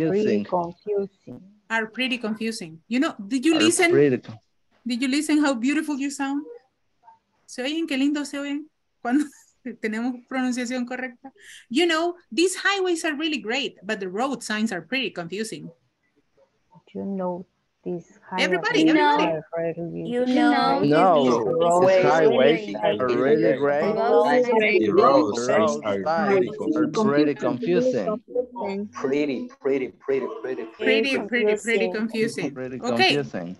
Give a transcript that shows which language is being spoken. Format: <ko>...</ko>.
<en>The highways are really great, but the road signs are pretty confusing. Did you listen how beautiful you sound?</en> <es>¿Se oyen qué lindo se oyen cuando tenemos pronunciación correcta?</es> <en>You know, these highways are really great, but the road signs are pretty confusing. The highways are really great, but the road signs are pretty confusing.</en>